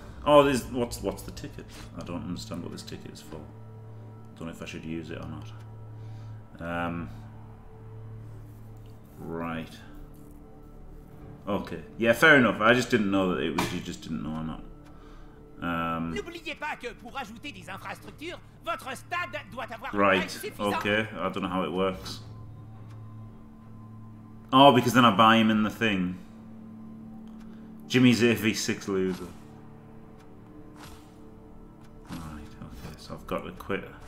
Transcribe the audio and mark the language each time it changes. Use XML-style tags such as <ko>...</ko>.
<en>Oh, what's the ticket? I don't understand what this ticket is for. Don't know if I should use it or not. Right. Okay. Yeah, fair enough. I just didn't know that it was. You just didn't know or not.</en> <fr>N'oubliez pas que pour ajouter des infrastructures, votre stade doit avoir.</fr> <en>Right. Okay. I don't know how it works. Oh, because then I buy him in the thing. Jimmy's a V6 loser. Right, okay, so I've got to quit.</en>